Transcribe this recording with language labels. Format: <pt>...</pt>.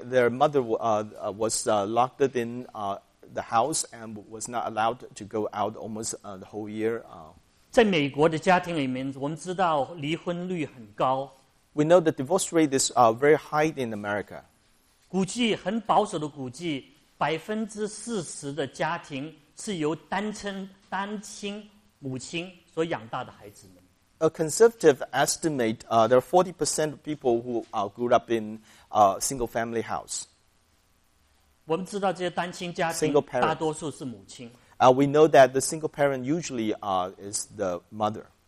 <en>Their mother was locked in the house and was not allowed to go out almost the whole year.</en> <zh>在美国的家庭里面，我们知道离婚率很高。We</zh> <en>know the divorce rate is very high in America.</en> <zh>估计很保守的估计， 40%的家庭是由单亲母亲所养大的孩子们。A</zh> <en>conservative estimate, there are 40% of people who grew up in a single family house.</en> <zh>我们知道这些单亲家庭大多数是母亲。</zh> <en>We know that the single parent usually is the mother.</en>